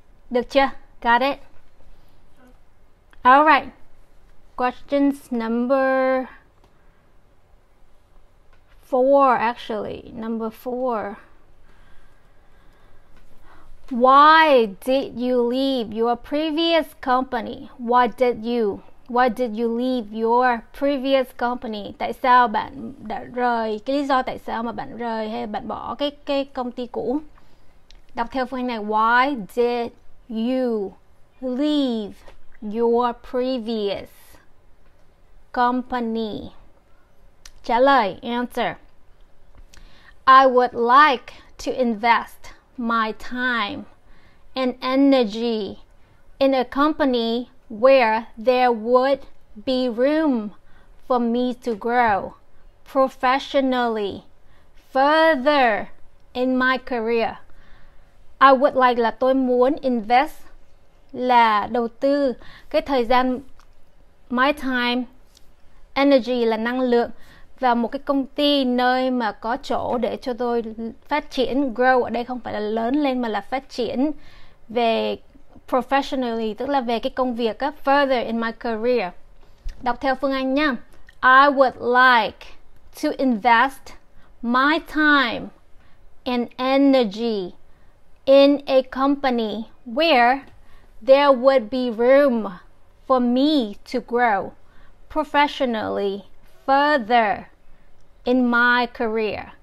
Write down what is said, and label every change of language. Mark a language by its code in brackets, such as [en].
[vi] Được chưa? [en] Got it? Alright, questions number 4, actually, number 4. Why did you leave your previous company? Why did you? Why did you leave your previous company? [vi] Tại sao bạn đã rời, cái lý do tại sao mà bạn rời hay bạn bỏ cái công ty cũ? Đọc theo phương này, [en] why did you leave your previous company? [vi] Trả lời, [en] answer. I would like to invest my time and energy in a company where there would be room for me to grow professionally further in my career. I would like [vi] là tôi muốn, invest là đầu tư cái thời gian, [en] my time, [vi] energy là năng lượng vào một cái công ty nơi mà có chỗ để cho tôi phát triển. Grow ở đây không phải là lớn lên mà là phát triển về professionally, tức là về cái công việc á, [en] further in my career. [vi] Đọc theo phương Anh nha. [en] I would like to invest my time and energy in a company where there would be room for me to grow professionally further in my career.